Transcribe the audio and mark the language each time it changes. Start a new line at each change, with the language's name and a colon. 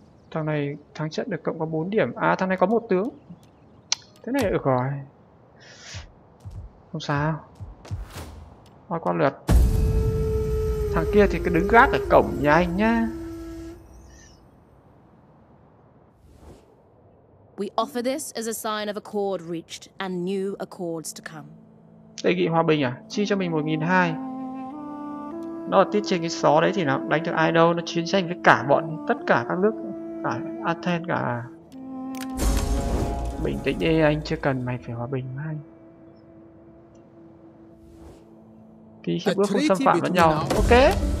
Vietnamese: Thằng này thắng trận được cộng có 4 điểm. À thằng này có một tướng. Thế này được rồi. Không sao. Thôi qua lượt. Thằng kia thì cứ đứng gác ở cổng nhà anh nhá.
English: We offer this as a sign of accord reached and new accords to come.
Vietnamese: Đề nghị hòa bình à? Chi cho mình 1200. Nó ở tiết trên cái xó đấy thì nó đánh được ai đâu, nó chiến tranh với cả bọn tất cả các nước, cả Athens cả. Bình tĩnh đi anh, chưa cần mày phải hòa bình mà anh. Ký hiệp ước không xâm phạm lẫn nhau. Ok.